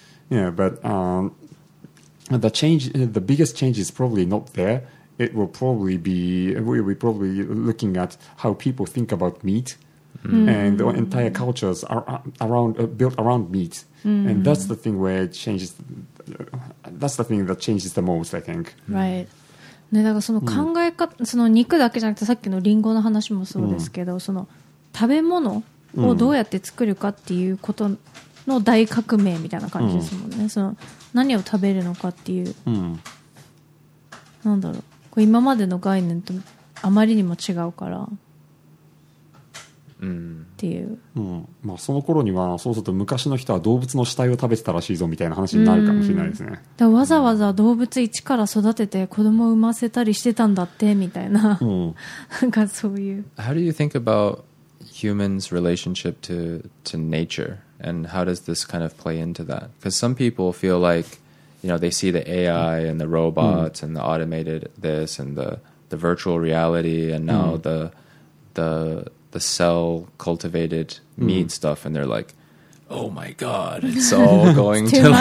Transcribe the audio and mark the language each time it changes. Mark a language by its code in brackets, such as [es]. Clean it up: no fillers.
[en] Yeah, but the biggest change is probably not there. It will probably be we're probably looking at how people think about meat. And the entire cultures are around built around meat, and that's the thing where it changes. That's the thing that changes the most, I think. Right. [ja] ね、だからその考え方、その肉だけじゃなくてさっきのリンゴの話もそうですけど、その食べ物をどうやって作るかっていうことの大革命みたいな感じですもんね。その何を食べるのかっていう、なんだろう、こう今までの概念とあまりにも違うから。まあ、その頃にはそうすると昔の人は動物の死体を食べてたらしいぞみたいな話になるかもしれないですね。だわざわざ動物一から育てて子供を産ませたりしてたんだってみたいな、なんかそういう。 [en] How do you think about humans' relationship to nature, and how does this kind of play into that? Because some people feel like, you know, they see the AI and the robots and the automated this and the the virtual reality and now the cell cultivated meat stuff, and they're like, oh my god, it's all going it's to much.